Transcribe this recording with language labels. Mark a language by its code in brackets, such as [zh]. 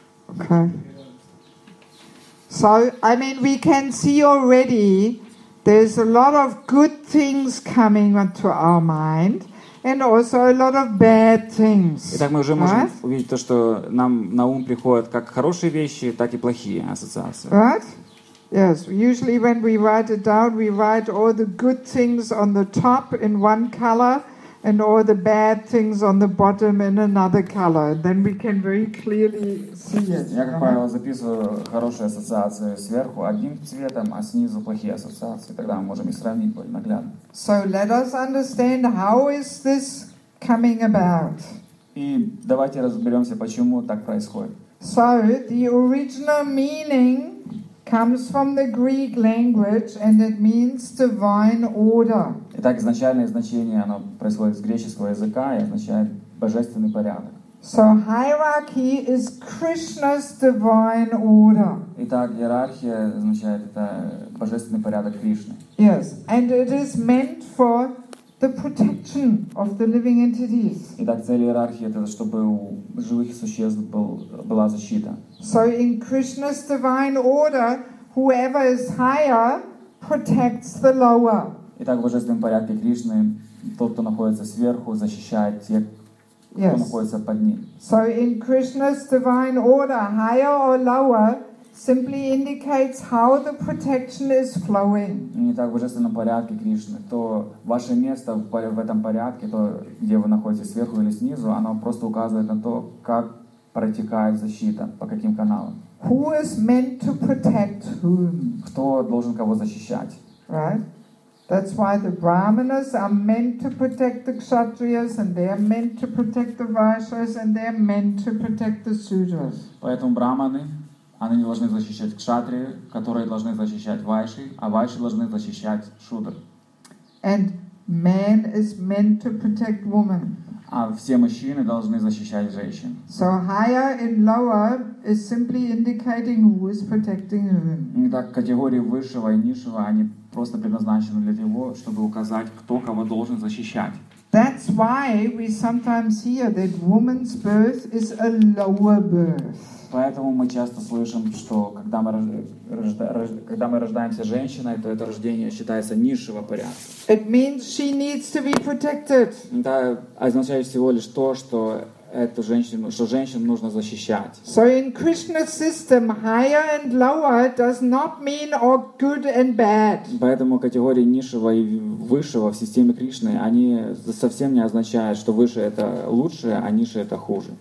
[en] Okay. So, I mean, we can see already there's a lot of good things coming to our mind, and also a lot of bad things. [ru] Итак, мы уже можем увидеть то, что нам на ум приходят как хорошие вещи, так и плохие ассоциации. [en] Right? Yes, usually when we write it down, we write all the good things on the top in one color and all the bad things on the bottom in another color. Then we can very clearly see it. [ru] Я, как правило, записываю хорошие ассоциации сверху одним цветом, а снизу плохие ассоциации. Тогда мы можем и сравнить более наглядно. [en] So let us understand how is this coming about. [ru] И давайте разберемся, почему так происходит. [en] So the original meaning comes from the Greek language and it means divine order. [ru] Итак, изначальное значение оно происходит из греческого языка и означает божественный порядок. [en] So hierarchy is Krishna's divine order. [ru] Итак, иерархия означает это божественный порядок Кришны. [en] Yes, and it is meant for the protection of the living entities. [ru] Итак, цель иерархии это чтобы у живых существ была защита. [en] So in Krishna's divine order, whoever is higher protects the lower. [ru] Итак, в божественном порядке Кришны тот, кто находится сверху, защищает тех, кто находится под ним. [en] So in Krishna's divine order, higher or lower simply indicates how the protection is flowing. [ru] Итак, в божественном порядке Кришны, то ваше место в этом порядке, то где вы находитесь сверху или снизу, оно просто указывает на то, как протекает защита, по каким каналам. [en] Who is meant to protect whom? [ru] Кто должен кого защищать? [en] Right? That's why the brahmanas are meant to protect the kshatriyas, and they are meant to protect the vaishyas, and they are meant to protect the sudras. [ru] Поэтому брахманы, они должны защищать кшатрию, которые должны защищать вайши, а вайши должны защищать шудры. [en] And man is meant to protect woman. [ru] А все мужчины должны защищать женщин. [en] So higher and lower is simply indicating who is protecting whom. [ru] Итак, категории высшего и низшего, они просто предназначены для того, чтобы указать, кто кого должен защищать. [en] That's why we sometimes hear that woman's birth is a lower birth. [ru] Поэтому мы часто слышим, что когда мы рождаемся женщиной, то это рождение считается низшего порядка. [en] It means she needs to be protected. [ru] Это означает всего лишь то, что эту женщину, что женщину нужно защищать. [en] So in Krishna's system, higher and lower does not mean all good and bad. [ru] Поэтому категории низшего и высшего в системе Кришны, они совсем не означают, что выше это лучше, а ниже это хуже.